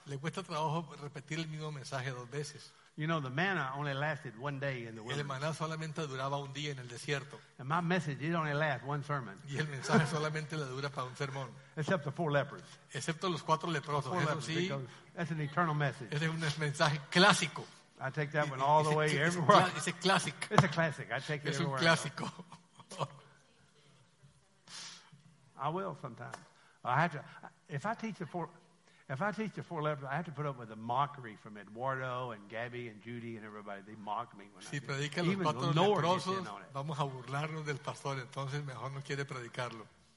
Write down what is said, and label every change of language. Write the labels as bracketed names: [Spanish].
[Spanish] Le cuesta trabajo repetir el mismo mensaje dos veces. [English] You know, the manna only lasted one day in the wilderness. [Spanish] El maná solamente duraba un día en el desierto. [English] And my message, it only lasts one sermon. [Spanish] Y el mensaje solamente le dura para un sermón. [English] Except the four lepers. [Spanish] Excepto los cuatro leprosos. [English] Four [Spanish] eso [English] lepers, [Spanish] sí. [English] That's an eternal message. [Spanish] Ese es un mensaje clásico. [English] I take that one all the way everywhere. It's a classic. It's a classic. I take it everywhere. [Spanish] Es un clásico. [English] I will sometimes. I have to. If I teach the four lepers, I have to put up with the mockery from Eduardo and Gabby and Judy and everybody. They mock me when [Spanish] si [English] I do. [Spanish] Even los cuatro leprosos, vamos a burlarnos del pastor, entonces mejor no quiere predicarlo.